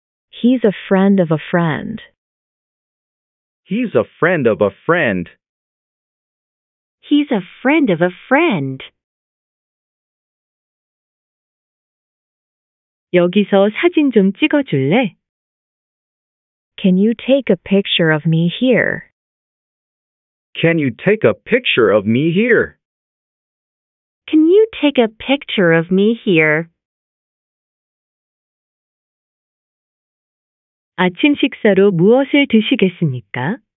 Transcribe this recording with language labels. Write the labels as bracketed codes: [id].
[en] He's a friend of a friend. He's a friend of a friend. He's a friend of a friend. [ko] 여기서 사진 좀 찍어줄래? [en] Can you take a picture of me here? Can you take a picture of me here? Can you take a picture of me here? [ko] 아침 식사로 무엇을 드시겠습니까?